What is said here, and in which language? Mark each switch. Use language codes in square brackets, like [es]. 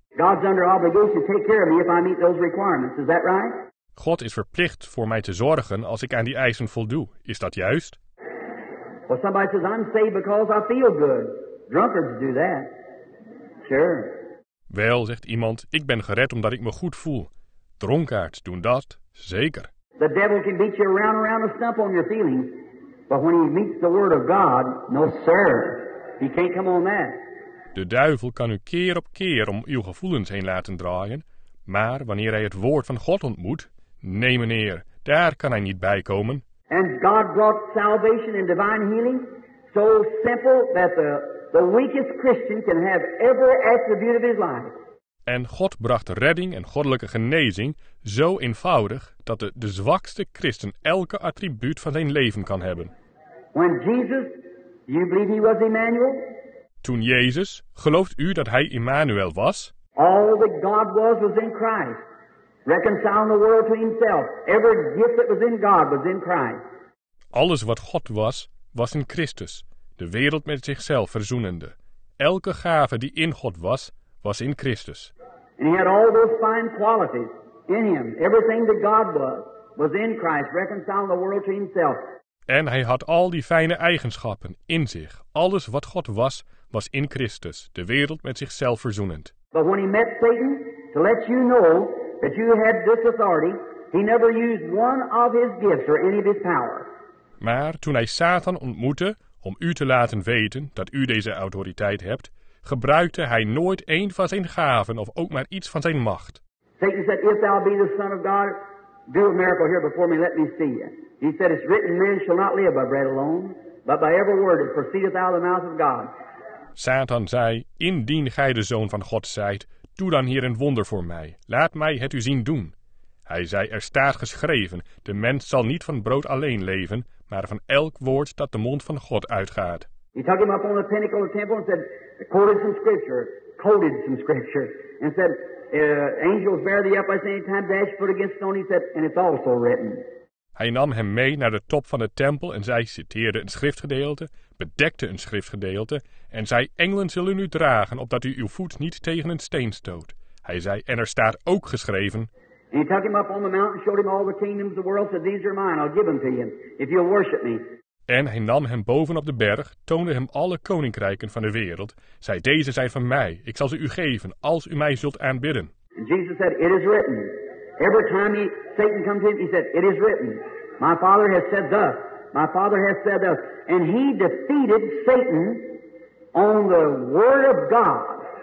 [en] God's under obligation to take care of me if I meet those requirements. Is that right? [nl] God is verplicht voor mij te zorgen als ik aan die eisen voldoe. Is dat juist? [en] Well, somebody says I'm saved because I feel good. Drunkards do that. Sure. [nl] Wel, zegt iemand, ik ben gered omdat ik me goed voel. Dronkaards doen dat, zeker. [en] The devil can beat you around around a stump on your feelings, but when he meets the word of God, no sir, he can't come on that. [nl] De duivel kan u keer op keer om uw gevoelens heen laten draaien, maar wanneer hij het woord van God ontmoet, nee meneer, daar kan hij niet bij komen. [en] And God brought salvation and divine healing so simple that the weakest Christian can have every attribute of his life. [nl] En God bracht redding en goddelijke genezing zo eenvoudig dat de zwakste christen elke attribuut van zijn leven kan hebben. [en] When Jesus, you believe he was Emmanuel? [nl] Toen Jezus, gelooft u dat hij Emmanuel was? [en] All that God was in Christ. Reconciling the world to himself. Every gift that was in God was in Christ. [nl] Alles wat God was, was in Christus. De wereld met zichzelf verzoenende. Elke gave die in God was, was in Christus. [en] And he had all those fine qualities in him. Everything that God was in Christ, reconciling the world to himself. [nl] En hij had al die fijne eigenschappen in zich. Alles wat God was, was in Christus, de wereld met zichzelf verzoenend. [en] But when he met Satan, to let you know that you had this authority, he never used one of his gifts or any of his power. [nl] Maar toen hij Satan ontmoette, om u te laten weten dat u deze autoriteit hebt, gebruikte hij nooit een van zijn gaven of ook maar iets van zijn macht. [en] Satan said, if thou be the son of God, do a miracle here before me, let me see you. He said, it's written, men shall not live by bread alone, but by every word that proceedeth out of the mouth of God. [nl] Satan zei, indien gij de zoon van God zijt, doe dan hier een wonder voor mij. Laat mij het u zien doen. Hij zei, er staat geschreven, de mens zal niet van brood alleen leven, maar van elk woord dat de mond van God uitgaat. [en] He took him up on the pinnacle of the temple and said, quoted some scripture, and said, angels bear thee up by any time, dash foot against stone, he said, and it's also written. [nl] Hij nam hem mee naar de top van de tempel en zij citeerde een schriftgedeelte, bedekte een schriftgedeelte en zei, engelen zullen u dragen opdat u uw voet niet tegen een steen stoot. Hij zei, en er staat ook geschreven. [en] And he took him up on the mountain, showed him all the kingdoms of the world, said, these are mine, I'll give them to you, if you'll worship me. [nl] En hij nam hem boven op de berg, toonde hem alle koninkrijken van de wereld, zei, deze zijn van mij, ik zal ze u geven, als u mij zult aanbidden. [en] And Jesus said, it is written. Every time Satan comes in, he said, it is written. My father has said thus. My father has said thus. And he defeated Satan on the word of God.